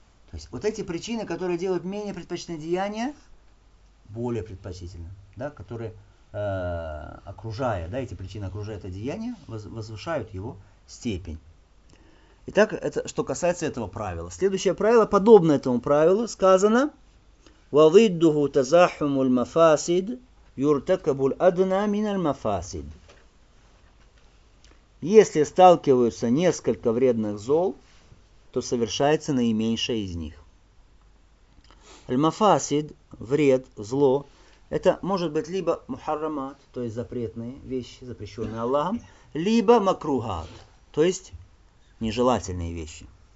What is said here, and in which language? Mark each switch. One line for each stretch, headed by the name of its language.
Russian: То есть вот эти причины, которые делают менее предпочтительное деяние более предпочтительным, да, которые окружая, да, эти причины окружая это деяние, возвышают его степень. Итак, это что касается этого правила. Следующее правило, подобно этому правилу, сказано:
Arabic: وَضِدُّهُ تَزَاحُمُ الْمَفَاسِدُ يُرْتَكَبُ الْأَدْنَى مِنَ الْمَفَاسِدِ.
Russian: Если сталкиваются несколько вредных зол, то совершается наименьшее из них. Аль-мафасид, вред, зло, это может быть либо мухаррамат, то есть запретные вещи, запрещенные Аллахом, либо макругат, то есть нежелательные вещи.